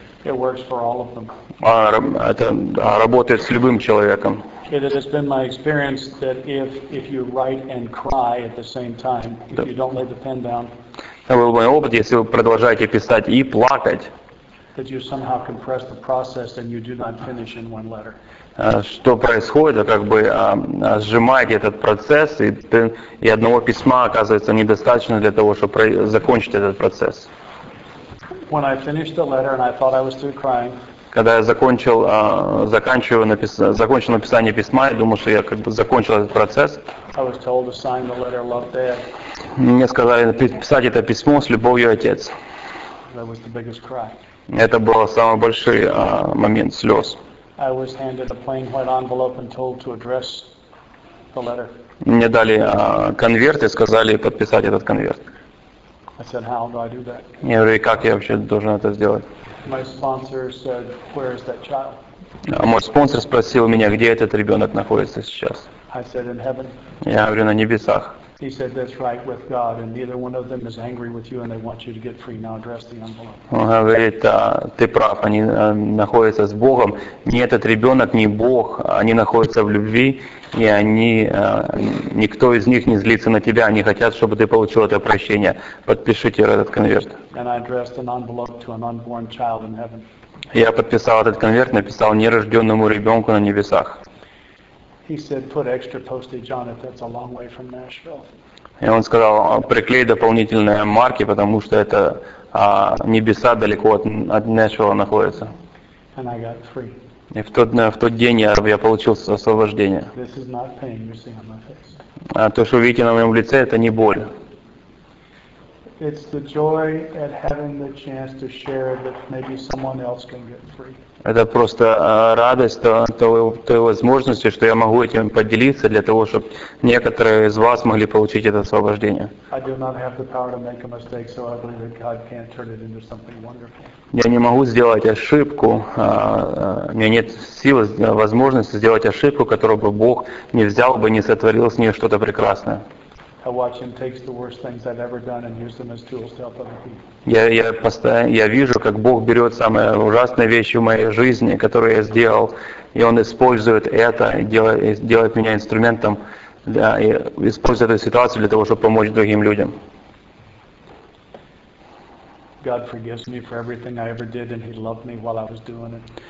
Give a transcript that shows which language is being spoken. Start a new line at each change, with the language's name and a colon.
English: It works for all of them.
Russian: Это работает с любым человеком.
English: It has been my experience that if you write and cry at the same time, if you don't lay the pen down,
Russian: это был мой опыт, если вы продолжаете писать и плакать, что происходит, как бы сжимаете этот процесс, и одного письма оказывается недостаточно для того, чтобы закончить этот процесс.
English: When I finished the letter and I thought I was through crying,
Russian: когда я закончил написание письма, я думал, что я как бы закончил этот процесс.
English: I was told to sign the letter Love Dad.
Russian: Мне сказали писать это письмо с любовью, отец.
English: That was the biggest cry.
Russian: Это был самый большой момент слез.
English: I was handed a plain white envelope and told to address the letter.
Russian: Мне дали конверт и сказали подписать этот конверт.
English: I said, how do I do that?
Russian: Я говорю, как я вообще должен это сделать?
English: My sponsor said, where is that child?
Russian: Мой спонсор спросил меня, где этот ребенок находится сейчас.
English: I said, in heaven.
Russian: Я говорю, на небесах.
English: He said, that's right with God, and neither one of them is angry with you, and they want you to get free. Now address the envelope.
Russian: Он говорит, ты прав, они находятся с Богом. Ни этот ребенок, ни Бог, они находятся в любви, и они, никто из них не злится на тебя, они хотят, чтобы ты получил это прощение. Подпишите этот конверт.
English: And I addressed an envelope to an unborn child in heaven.
Russian: Я подписал этот конверт, написал нерожденному ребенку на небесах.
English: He said, put extra postage on it, that's a long way from Nashville.
Russian: И он сказал, приклей дополнительные марки, потому что это небеса далеко от Нэшвилла находятся.
English: And I got free.
Russian: И в тот день я получил освобождение.
English: This is not pain you see on my face.
Russian: То, что вы видите на моем лице, это не боль.
English: It's the joy at having the chance to share that maybe someone else can get free.
Russian: Это просто радость той возможности, что я могу этим поделиться для того, чтобы некоторые из вас могли получить это освобождение.
English: I do not have the power to make a mistake, so I believe that God can turn it into something wonderful.
Russian: Я не могу сделать ошибку, у меня нет силы, возможности сделать ошибку, которую бы Бог не взял бы, не сотворил с ней что-то прекрасное.
English: I watch him take the worst things I've ever done and use them as tools to help other people.
Russian: Я вижу, как Бог берет самые ужасные вещи в моей жизни, которые я сделал, и Он использует это, делает меня инструментом, использует эту ситуацию для того, чтобы помочь другим людям.
English: God forgives me for everything I ever did, and He loved me while I was doing it.